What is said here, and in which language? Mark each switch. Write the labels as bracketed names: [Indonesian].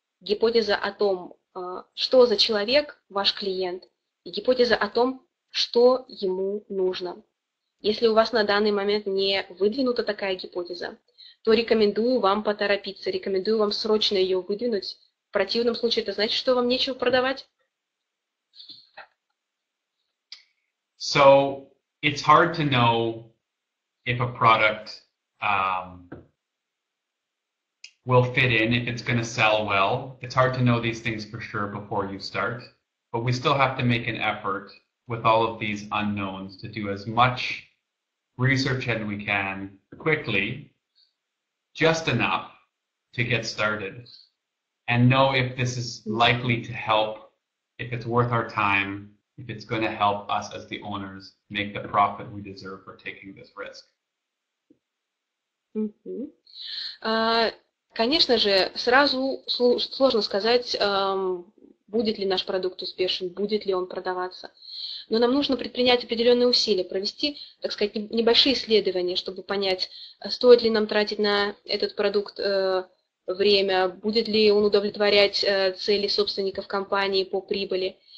[Russian] Гипотеза о том, что за человек ваш клиент, и гипотеза о том, что ему нужно. Если у вас на данный момент не выдвинута такая гипотеза, то рекомендую вам поторопиться, рекомендую вам срочно ее выдвинуть. В противном случае это значит, что вам нечего продавать. [English] So it's hard to know if a product will fit in, if it's going to sell well. It's hard to know these things for sure before you start, but we still have to make an effort with all of these unknowns to do as much research as we can quickly. Just enough to get started and know if this is likely to help, if it's worth our time, if it's going to help us as the owners make the profit we deserve for taking this risk. [Russian] Конечно же, сразу сложно сказать, будет ли наш продукт успешен, будет ли он продаваться. Но нам нужно предпринять определенные усилия, провести, так сказать, небольшие исследования, чтобы понять, стоит ли нам тратить на этот продукт время, будет ли он удовлетворять цели собственников компании по прибыли.